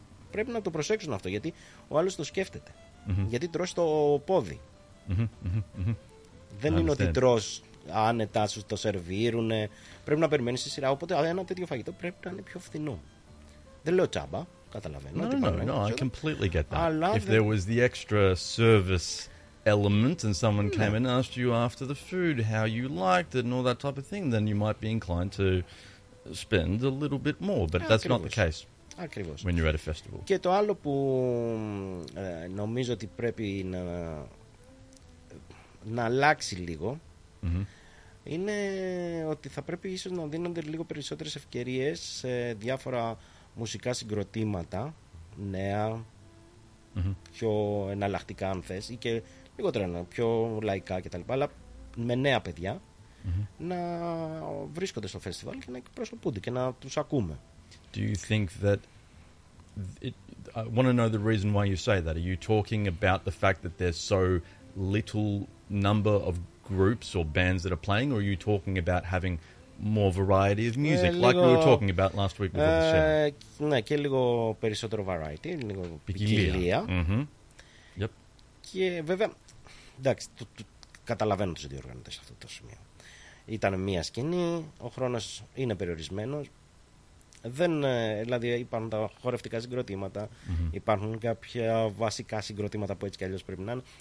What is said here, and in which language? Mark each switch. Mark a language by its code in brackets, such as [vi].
[el] Πρέπει να το προσέξουν αυτό, γιατί ο άλλος το σκέφτεται. Mm-hmm. Γιατί τρως το πόδι. Δεν είναι ότι τρως άνετα, σου το σερβίρουνε. Πρέπει να περιμένεις στη σειρά. Οπότε ένα τέτοιο φαγητό πρέπει να είναι πιο φθηνό. Δεν λέω τσάμπα, καταλαβαίνω. [en] No, I completely get that. [el] Αλλά [en] if there was the extra service element and someone came and asked you after the food how you liked it and all that type of thing, then you might be inclined to spend a little bit more. But that's not the case. [el] Ακριβώς. [en] When you're at a festival. [el] Και το άλλο που νομίζω ότι πρέπει να αλλάξει λίγο είναι ότι θα πρέπει ίσως να δίνονται λίγο περισσότερες ευκαιρίες σε διάφορα μουσικά συγκροτήματα νέα, πιο εναλλακτικά αν θες, ή και λιγότερα, πιο λαϊκά κτλ. Αλλά με νέα παιδιά να βρίσκονται στο φεστιβάλ και να εκπροσωπούνται και να τους ακούμε. [en] Do you think that... I want to know the reason why you say that. Are you talking about the fact that there's so little number of groups or bands that are playing, or are you talking about having more variety of music, like we were talking about last week before the show? [el] Ναι, και λίγο περισσότερο variety, λίγο ποικιλία. Και βέβαια, εντάξει, καταλαβαίνω τους διοργανωτές αυτό το σημείο. Ήταν μία σκηνή, ο χρόνος είναι περιορισμένος. Δεν, δηλαδή, υπάρχουν τα χορευτικά συγκροτήματα, υπάρχουν κάποια βασικά συγκροτήματα που έτσι κι αλλιώς πρέπει να είναι.